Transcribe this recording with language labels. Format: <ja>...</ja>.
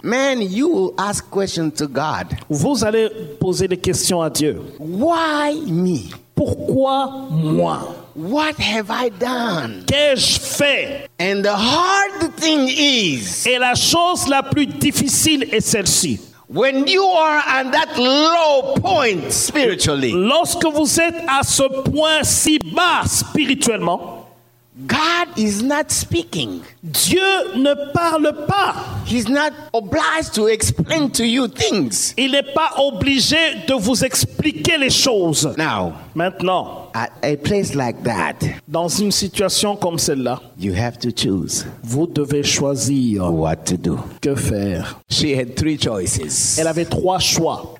<en>man, you will ask questions to God.</en> <fr>Vous allez poser des questions à Dieu.</fr> <en>Why me?</en> <fr>Pourquoi moi?</fr> <en>What have I done?</en> <fr>Qu'ai-je fait?</fr> <en>And the hard thing is,</en> <fr>et la chose la plus difficile est celle-ci.</fr> <en>When you are on that low point spiritually,</en> <fr>lorsque vous êtes à ce point si bas spirituellement,</fr> <en>God is not speaking.</en> <fr>Dieu ne parle pas.</fr> <en>He's not obliged to explain to you things.</en> <fr>Il n'est pas obligé de vous expliquer les choses.</fr> <en>Now,</en> <fr>maintenant,</fr> <en>at a place like that,</en> <fr>dans une situation comme celle-là,</fr> <en>you have to choose.</en> <fr>Vous devez choisir</fr> <en>what to do.</en> <fr>Que faire?</fr> <en>She had 3 choices.</en> <fr>Elle avait 3 choix.</fr>